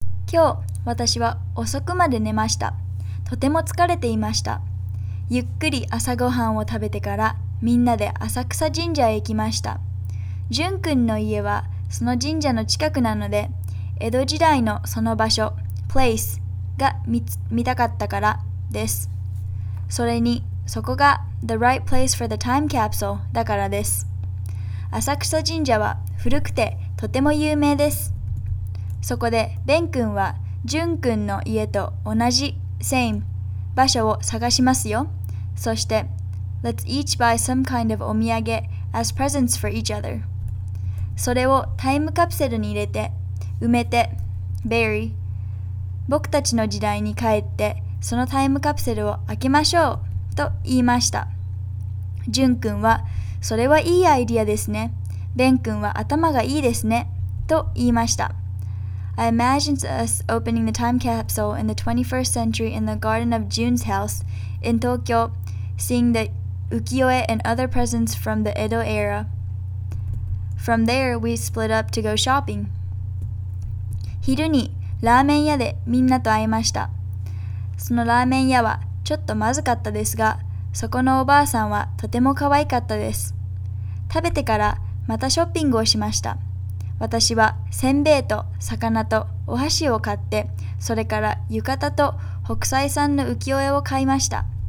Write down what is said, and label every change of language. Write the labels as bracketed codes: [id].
[ja] 今日私は遅くまで寝ました。とても疲れていました。ゆっくり朝ごはんを食べてからみんなで浅草神社へ行きました。じゅんくんの家はその神社の近くなので、江戸時代のその場所 place が見たかったからです。それにそこが [en] the right place for the time capsule [ja] だからです。浅草神社は古くてとても有名です。そこでベン君はジュン君の家と同じ same 場所を探しますよ。 [en] そして let's each buy some kind of お土産 as presents for each other。 [ja] それをタイムカプセルに入れて埋めて bury 僕たちの時代に帰って、そのタイムカプセルを開けましょうと言いました。ジュン君はそれはいいアイディアですね、ベン君は頭がいいですねと言いました。 [en] I imagine us opening the time capsule in the 21st century in the garden of June's house in Tokyo, seeing the ukiyo-e and other presents from the Edo era. From there, we split up to go shopping. [ja] 昼にラーメン屋でみんなと会いました。そのラーメン屋はちょっとまずかったですが、そこのおばあさんはとても可愛かったです。食べてからまたショッピングをしました。私はせんべいと魚とお箸を買って、それから浴衣と北斎さんの浮世絵を買いました。